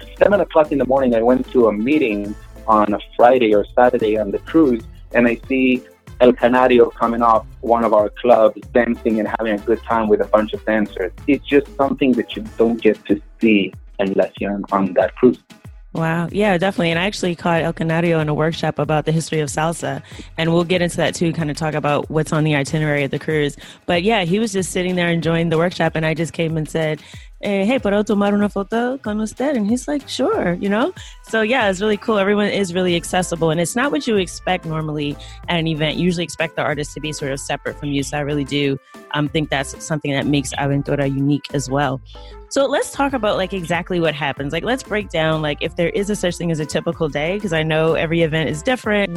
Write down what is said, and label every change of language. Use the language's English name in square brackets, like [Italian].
[English] 7 o'clock in the morning, I went to a meeting on a Friday or Saturday on the cruise, and I see El Canario coming off one of our clubs, dancing and having a good time with a bunch of dancers. It's just something that you don't get to see unless you're on that cruise. Wow. Yeah, definitely. And I actually caught El Canario in a workshop about the history of salsa. And we'll get into that too, kind of talk about what's on the itinerary of the cruise. But yeah, he was just sitting there enjoying the workshop. And I just came and said, hey, [Spanish] ¿puedo tomar una foto con usted? [English] And he's like, sure, you know? So yeah, it's really cool. Everyone is really accessible. And it's not what you expect normally at an event. You usually expect the artist to be sort of separate from you. So I really do think that's something that makes Aventura unique as well. So let's talk about like exactly what happens. Like, let's break down, like, if there is a such thing as a typical day, because I know every event is different.